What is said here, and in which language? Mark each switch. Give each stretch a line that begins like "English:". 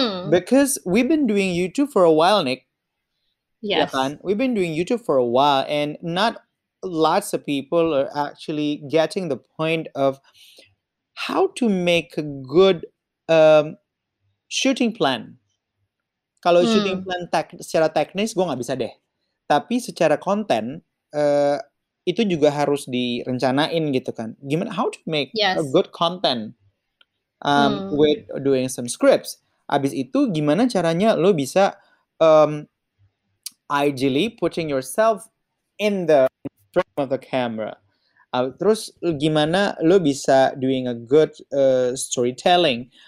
English: Because we've been doing YouTube for a while, Nick.
Indonesian: Yes. Ya kan?
English: We've been doing YouTube for a while and not lots of people are actually getting the point of how to make a good shooting plan.
Indonesian: Kalau shooting plan secara teknis gue gak bisa deh. Tapi secara konten itu juga harus direncanain gitu kan. Gimana?
English: How to make a good content with doing some scripts.
Indonesian: Abis itu gimana caranya lo bisa
English: ideally putting yourself in the frame of the camera.
Indonesian: Terus gimana lo bisa
English: doing a good storytelling?